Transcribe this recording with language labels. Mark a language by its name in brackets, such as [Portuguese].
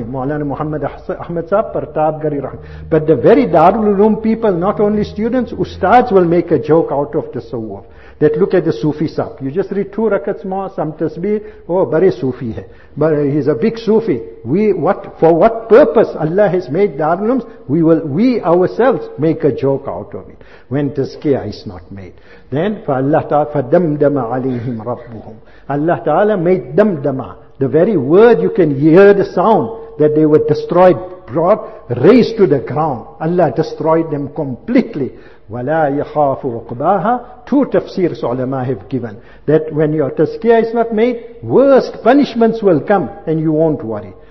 [English] Maulana Muhammad Ahmed Sahab Pratap Gari Rahman. But the very Darul Ulum people, not only students, ustads will make a joke out of the tasawwuf. That look at the Sufi sahab. You just read two rakats more, some tasbih. Oh, [Urdu] bare Sufi hai. [English] But he's a big Sufi. For what purpose Allah has made Darul Ulooms? We ourselves make a joke out of it. When tazkiyah is not made. [Arabic] Then, فَدَمْدَمَ عَلَيْهِمْ رَبُّهُمْ. [English] Allah Ta'ala made damdama. The very word you can hear the sound that they were destroyed, brought, raised to the ground. Allah destroyed them completely. [Arabic] وَلَا يَخَافُ عُقْبَاهَا. [English] Two tafsirs ulama have given. That when your tazkiyah is not made, worst punishments will come and you won't worry.